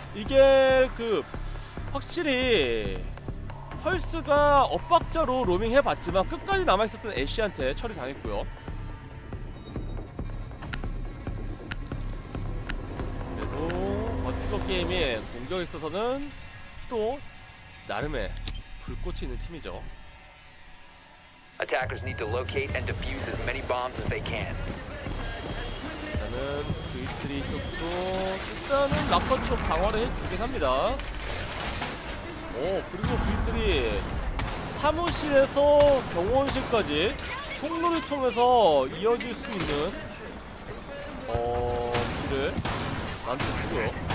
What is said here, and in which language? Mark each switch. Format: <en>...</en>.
<ko>이게 그 확실히 펄스가 엇박자로 로밍 해봤지만 끝까지 남아있었던 애쉬한테 처리당했고요. 그래도 버티거 게임이 공격에 있어서는 또 나름의 불꽃이 있는 팀이죠.</ko> <en>Attackers need to locate and defuse as many bombs as they can.</en> <ko>일단은 V3 쪽도 일단은 락커 쪽 방어를 해주긴 합니다. 오, 그리고 V3 사무실에서 경호원실까지 통로를 통해서 이어질 수 있는 길을 남쪽 죽어요.</ko>